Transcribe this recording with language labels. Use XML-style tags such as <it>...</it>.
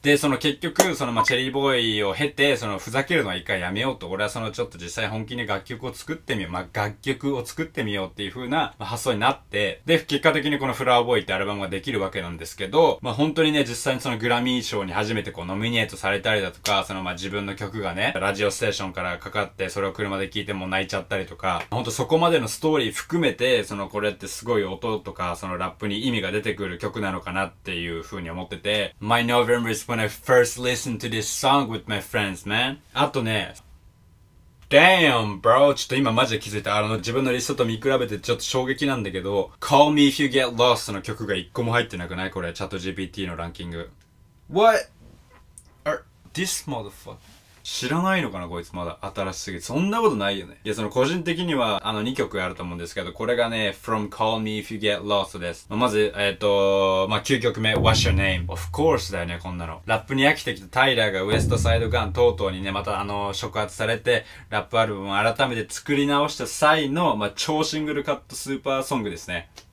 <ja>でその結局そのまあチェリーボーイを経てそのふざけるのは一回やめようと俺はそのちょっと実際本気に楽曲を作ってみようまあ楽曲を作ってみようっていう風な発想になってで結果的にこのフラワーボーイってアルバムができるわけなんですけどまあ本当にね実際にそのグラミー賞に初めてこうノミネートされたりだとかそのまあ自分の曲がねラジオステーションからかかってそれを車で聞いても泣いちゃったりとか本当そこまでのストーリー含めてそのこれってすごい音とかそのラップに意味が出てくる曲なのかなっていう風に思ってて</ja> <en>My November is when I first listened to this song with my friends, man.</en> <ja>あとね</ja> <en>Damn, bro!</en> <ja>ちょっと今マジで気づいた。自分のリストと見比べてちょっと衝撃なんだけど Call me if you get lost の曲が一個も入ってなくないこれチャット GPT のランキング</ja> <en>What? This motherfucker?</en> <ja>知らないのかなこいつまだ新しすぎてそんなことないよね。いやその個人的には2曲あると思うんですけどこれがね From Call Me If You Get Lost です、まあ、まずまあ、9曲目 What's Your Name Of Course だよねこんなのラップに飽きてきたタイラーがウエストサイドガン等々にねまた触発されてラップアルバムを改めて作り直した際のまあ、超シングルカットスーパーソングですね</ja>